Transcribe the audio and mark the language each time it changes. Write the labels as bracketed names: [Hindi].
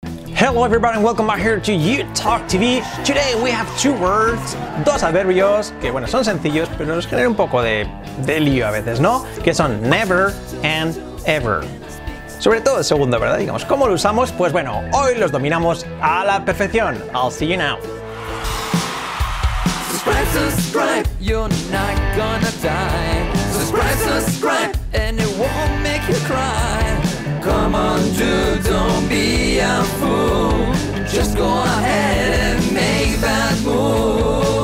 [English] Hello everybody and welcome back here to Utalk TV. [Spanish] Today we have two words, dos adverbios, que bueno, son sencillos, pero nos generan un poco de lío a veces, ¿no? Que son never and ever. Sobre todo el segundo, ¿verdad? Digamos, ¿cómo lo usamos? Pues bueno, hoy los dominamos a la perfección. [English] I'll see you now. Subscribe, you're not gonna die. Subscribe, and it won't make you cry. Come on, dude, don't be a fool. Just go ahead and make that move.